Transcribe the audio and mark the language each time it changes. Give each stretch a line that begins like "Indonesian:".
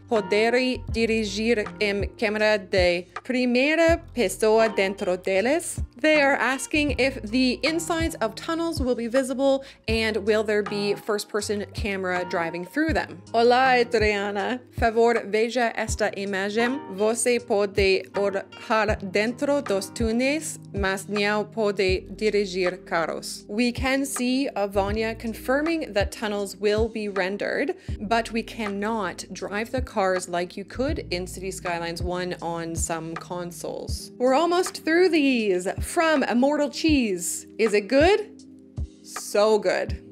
Portuguese: Poder dirigir em câmera de primeira pessoa dentro deles?"
English: They are asking if the insides of tunnels will be visible and will there be first person camera driving through them.
Portuguese: Hola, Adriana. Favor, veja esta imagem. Você pode orar dentro dos túneis, mas não pode dirigir carros.
English: We can see Avanya confirming that tunnels will be rendered, but we cannot drive the cars like you could in City Skylines 1 on some consoles. We're almost through these. From Immortal Cheese. Is it good? So good.